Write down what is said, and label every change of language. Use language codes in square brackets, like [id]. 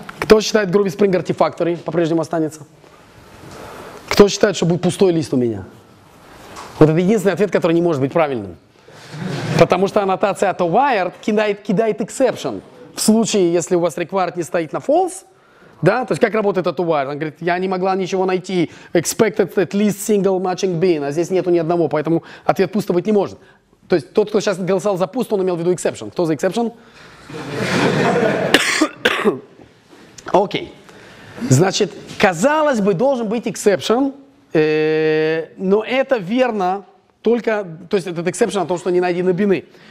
[ru] Кто считает, Groovy Spring Artifactory по-прежнему останется? Кто считает, что будет пустой лист у меня? Вот это единственный ответ, который не может быть правильным. Потому что аннотация от Wired кидает exception. В случае, если у вас required не стоит на false, да, то есть как работает от Wired? Он говорит, я не могла ничего найти. [en] Expected at least single matching bin. [ru] А здесь нету ни одного, поэтому ответ пусто быть не может. То есть тот, кто сейчас голосовал за пусто, он имел в виду exception. Кто за exception? Окей. Значит, казалось бы, должен быть exception, но это верно только, то есть этот exception о том, что не найдены бины.